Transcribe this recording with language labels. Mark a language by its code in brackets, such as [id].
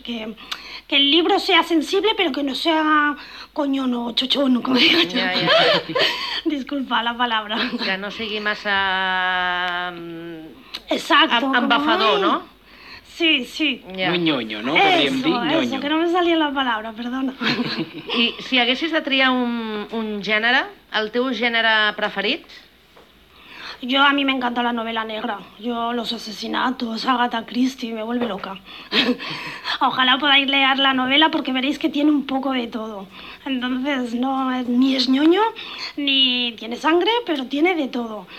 [es] Que el libro sea sensible, pero que no sea coñón o chochón, como digo yo. Disculpa la palabra. [ca] Que no sigui massa... [es] Exacto. [ca] Embafador, ¿no? [es] Sí. Yeah. Muy ñoño, ¿no? Eso, que no me salía la palabra, perdona. [ca] I si haguessis de triar un gènere, el teu gènere preferit? [es] Yo, a mí me encanta la novela negra. Yo, los asesinatos, Agatha Christie, me vuelve loca. Ojalá podáis leer la novela, porque veréis que tiene un poco de todo. Entonces, no, ni es ñoño, ni tiene sangre, pero tiene de todo.